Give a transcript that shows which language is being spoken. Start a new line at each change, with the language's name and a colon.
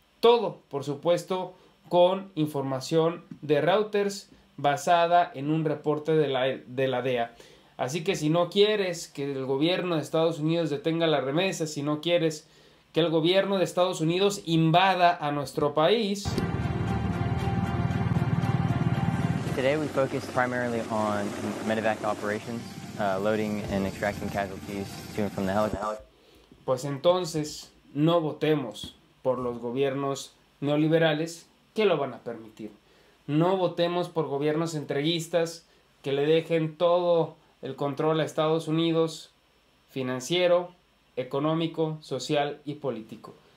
Spanish: Todo, por supuesto, con información de Reuters basada en un reporte de la DEA. Así que si no quieres que el gobierno de Estados Unidos detenga las remesas, si no quieres que el gobierno de Estados Unidos invada a nuestro país.
English: Today we focused primarily on medevac operations, loading and extracting casualties to and from the helicopter.
Spanish: Pues entonces no votemos por los gobiernos neoliberales que lo van a permitir. No votemos por gobiernos entreguistas que le dejen todo el control a Estados Unidos financiero, económico, social y político.